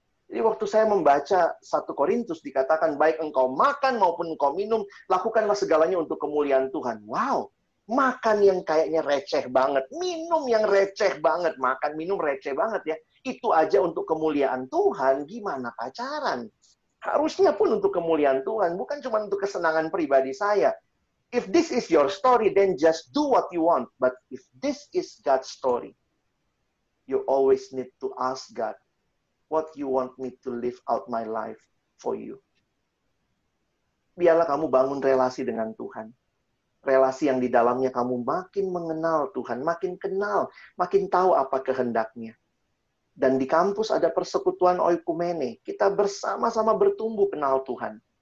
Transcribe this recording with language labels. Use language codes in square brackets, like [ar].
[id] Jadi waktu saya membaca 1 Korintus dikatakan, baik engkau makan maupun engkau minum, lakukanlah segalanya untuk kemuliaan Tuhan. Wow. Makan yang kayaknya receh banget, minum yang receh banget, makan minum receh banget ya. Itu aja untuk kemuliaan Tuhan, gimana pacaran? Harusnya pun untuk kemuliaan Tuhan, bukan cuma untuk kesenangan pribadi saya. [en] If this is your story, then just do what you want. But if this is God's story, you always need to ask God, what you want me to live out my life for you. [id] Biarlah kamu bangun relasi dengan Tuhan. Relasi yang di dalamnya kamu makin mengenal Tuhan, makin kenal, makin tahu apa kehendaknya. Dan di kampus ada persekutuan oikumene, kita bersama-sama bertumbuh kenal Tuhan.